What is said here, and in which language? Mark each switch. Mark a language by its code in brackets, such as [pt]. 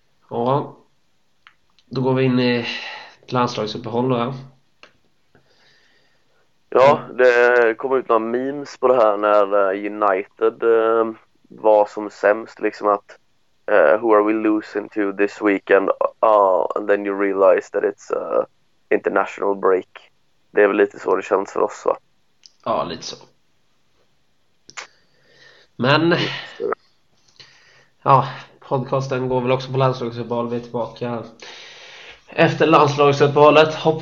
[sv] Ja. Då går vi in i landslagsuppehåll då. Ja, det kom ut några memes på det här när United var som sämst. Liksom att, [en] who are we losing to this weekend? And then you realize that it's international break. [sv] Det är väl lite så det känns för oss, va? Ja, lite så. Men, [en] Yes, sir. [sv] ja, podcasten går väl också på landslagsuppehåll. Vi är tillbaka efter landslagsuppehållet.